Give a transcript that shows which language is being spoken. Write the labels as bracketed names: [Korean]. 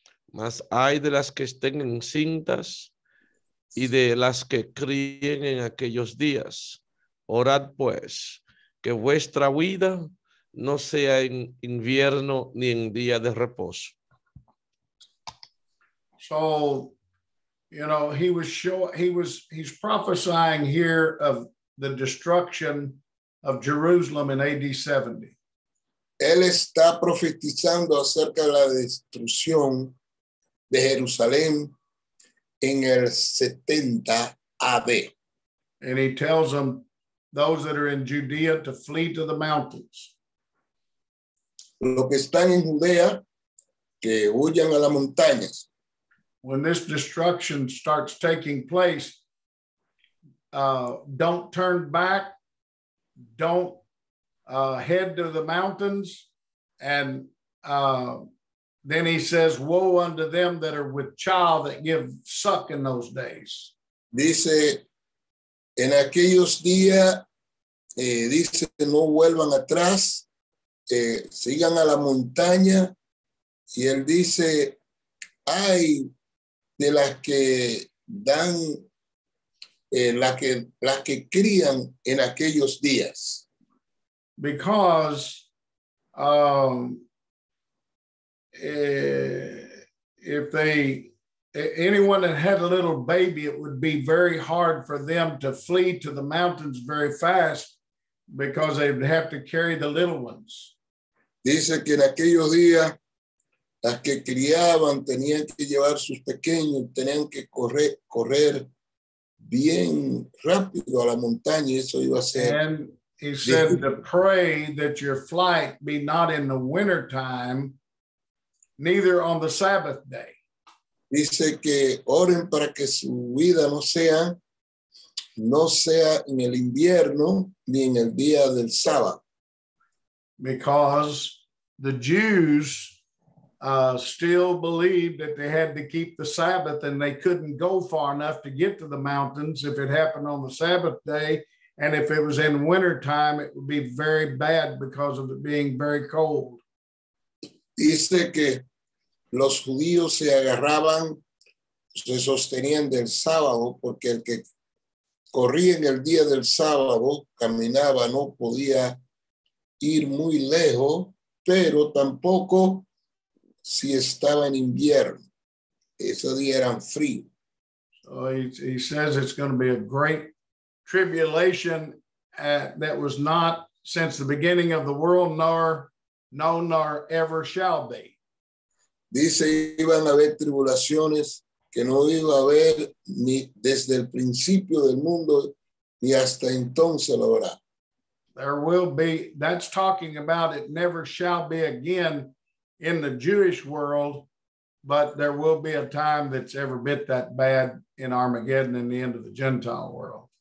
[Spanish] Mas ay de las que estén encintas y de las que críen en aquellos días. Orad pues. Que vuestra huida no sea en invierno ni en día de reposo. [English] So, you know, he's prophesying here of the destruction of Jerusalem in AD 70. [Spanish] Él está profetizando acerca de la destrucción de Jerusalén en el 70 AD. [English] And he tells them, those that are in Judea to flee to the mountains. [Spanish] Lo que están en Judea, que huyan a las montañas. [English] When this destruction starts taking place, don't turn back, don't head to the mountains. And then he says, woe unto them that are with child that give suck in those days. [Spanish] Dice, en aquellos días, dice, no vuelvan atrás, sigan a la montaña. Y él dice, ay de las que dan, las que crían en aquellos días. [English] Because if they, anyone that had a little baby, it would be very hard for them to flee to the mountains very fast. Because they'd have to carry the little ones. [Spanish] Dice que en aquellos días, las que criaban tenían que llevar sus pequeños, tenían que correr bien rápido a la montaña, y eso iba a ser. [English] And he said to pray that your flight be not in the winter time, neither on the Sabbath day. [Spanish] Dice que oren para que su vida no sea. No sea en el invierno ni en el día del sábado. [English] Because the Jews still believed that they had to keep the Sabbath and they couldn't go far enough to get to the mountains if it happened on the Sabbath day. And if it was in winter time, it would be very bad because of it being very cold. [Spanish] Dice que los judíos se agarraban, se sostenían del sábado porque el que corría en el día del sábado, caminaba, no podía ir muy lejos, pero tampoco si estaba en invierno. Esos días eran frío. [English] So he says it's going to be a great tribulation that was not since the beginning of the world, nor ever shall be. [Spanish] Dice iban a haber tribulaciones que no iba a haber ni desde el principio del mundo ni hasta entonces lo habrá. [English] There will be, that's talking about it never shall be again in the Jewish world, but there will be a time that's ever bit that bad in Armageddon and the end of the Gentile world.